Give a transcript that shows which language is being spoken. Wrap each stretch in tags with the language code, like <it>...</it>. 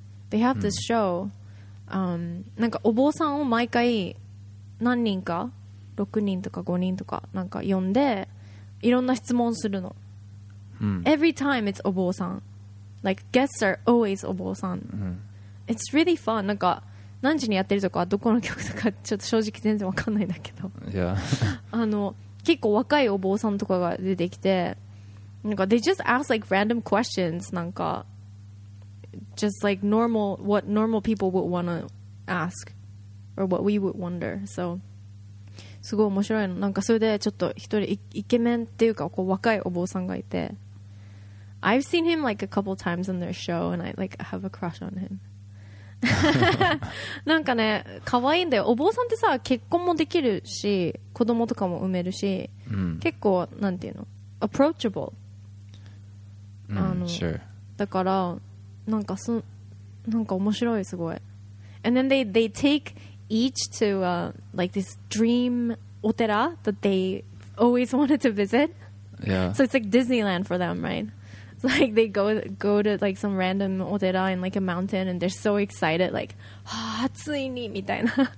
<en>They have this show、</en> <ja>なんかお坊さんを毎回何人か、6人とか5人とかなんか呼んで、いろんな質問するの。</ja> <en>Every time it's お坊さん。Like, guests are always お坊さん。It's really fun.</en> <ja>なんか何時にやってるとかどこの曲とかちょっと正直全然わかんないんだけど、</ja> <en>yeah.</en> <ja>結構若いお坊さんとかが出てきて、なんか</ja> <en>they just ask like random questions,</en> <ja>なんか</ja> <en>just like normal, what normal people would want to ask or what we would wonder. So</en> <ja>すごい面白いの。なんかそれでちょっと一人 イケメンっていうか、こう若いお坊さんがいて、</ja> <en>I've seen him like a couple times on their show and I like have a crush on him.</en> <ja>なんかね、可愛いんだよ。お坊さんってさ、結婚もできるし、子供とかも産めるし、 mm. 結構なんていうの、</ja> <en>approachable。 Mm, sure.</en> <ja>だからなんかそ、なんか面白いすごい。</ja> <en>And then they take each to like this dream お寺 that they always wanted to visit. Yeah. So it's like Disneyland for them, right? Like they go to like some random otera in like a mountain and they're so excited, like, ah,</en> <ja>ついにみたいな.</ja>